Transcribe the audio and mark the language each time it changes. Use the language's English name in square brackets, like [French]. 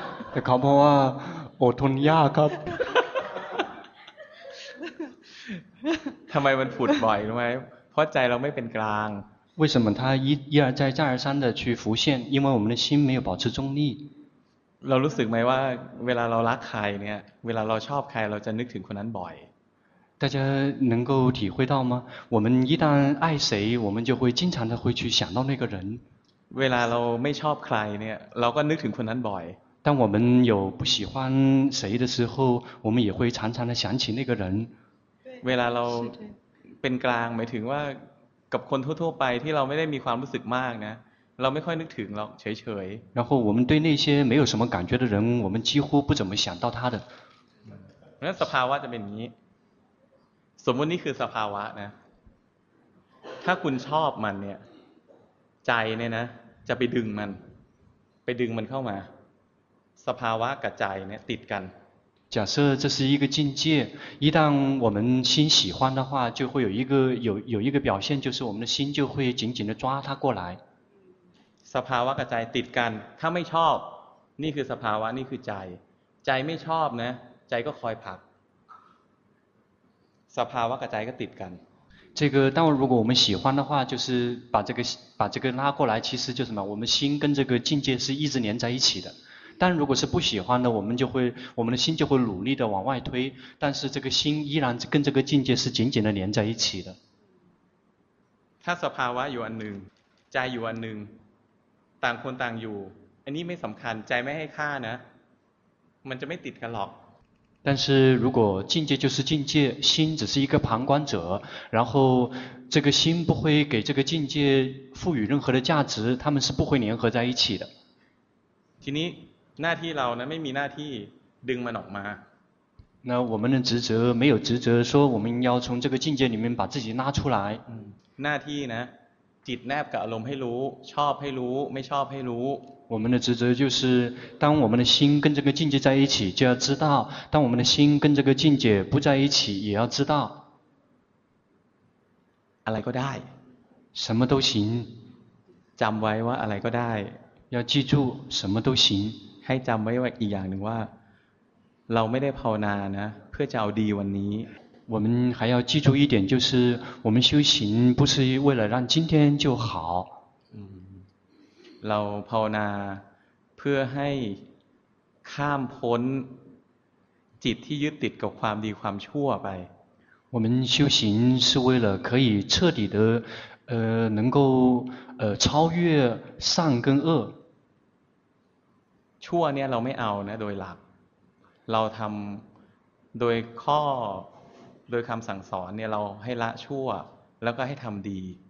[Thai] แต่เขาบอกว่าอดทนยากครับ ทำไมมันฝุดบ่อยรู้ไหมเพราะใจเราไม่เป็นกลาง [Chinese] 为什么他一而再再而三的去浮现因为我们的心没有保持中立 [Thai] เรารู้สึกไหมว่าเวลาเรารักใครเนี่ยเวลาเราชอบใครเราจะนึกถึงคนนั้นบ่อย [Chinese] 大家能够体会到吗我们一旦爱谁我们就会经常的会去想到那个人 [Thai] เวลาเราไม่ชอบใครเนี่ยเราก็นึกถึงคนนั้นบ่อย [Chinese] 当我们有不喜欢谁的时候我们也会常常的想起那个人 [Thai] เวลาเราเป็นกลางหมายถึงว่ากับคนทั่วๆไปที่เราไม่ได้มีความรู้สึกมากนะเราไม่ค่อยนึกถึงหรอกเฉย [Chinese] ๆ然后我们对那些没有什么感觉的人我们几乎不怎么想到他的 [Thai] นั้นสภาวะจะเป็นอย่างนี้สมมตินี่คือสภาวะนะถ้าคุณชอบมันเนี่ยใจเนี่ยนะจะไปดึงมันไปดึงมันเข้ามาสภาวะกับใจเนี่ยติดกัน [Chinese] 假设这是一个境界，一旦我们心喜欢的话，就会有一个有一个表现，就是我们的心就会紧紧的抓它过来。 [Thai] สภาวะกับใจติดกัน，ถ้าไม่ชอบ，นี่คือสภาวะ，นี่คือใจ。 ใจไม่ชอบนะ，ใจก็คอยผัก。 สภาวะกับใจก็ติดกัน。 [Chinese] 这个，但如果我们喜欢的话，就是把这个拉过来，其实就是什么，我们心跟这个境界是一直连在一起的。但如果是不喜欢的，我们的心就会努力的往外推，但是这个心依然跟这个境界是紧紧的连在一起的。 [Thai] ถ้าสภาวะอยู่อันหนึ่งใจอยู่อันหนึ่งต่างคนต่างอยู่อันนี้ไม่สำคัญใจไม่ให้ค่านะมันจะไม่ติดกันหรอก [Chinese] 但是如果境界就是境界，心只是一个旁观者，然后这个心不会给这个境界赋予任何的价值，他们是不会联合在一起的。 [Thai] ทีนี้หน้าที่เรานะไม่มีหน้าที่ดึงมันออกมา [Chinese] 那我们的职责没有职责说我们要从这个境界里面把自己拉出来 [Thai] หน้าที่นะจิตแนบกับอารมณ์ให้รู้ชอบให้รู้ไม่ชอบให้รู้ [Chinese] 我们的职责就是当我们的心跟这个境界在一起就要知道当我们的心跟这个境界不在一起也要知道 [Thai] อะไรก็ได้ [Chinese] 什么都行 [Thai] จำไว้ว่าอะไรก็ได้ [Chinese] 要记住什么都行 [Thai] ให้จำไว้อีกอย่างหนึ่งว่าเราไม่ได้ภาวนานะเพื่อจะเอาดีวันนี้ [Chinese] 我们还要记住一点就是我们修行不是为了让今天就好 [Thai] เราภาวนาเพื่อให้ข้ามพ้นจิตที่ยึดติดกับความดีความชั่วไป [Chinese] 我们修行是为了可以彻底的能够超越善跟恶 [Thai] ชั่วเนี่ยเราไม่เอานะโดยหลักเราทำโดยข้อโดยคำสั่งสอนเนี่ยเราให้ละชั่วแล้วก็ให้ทำดี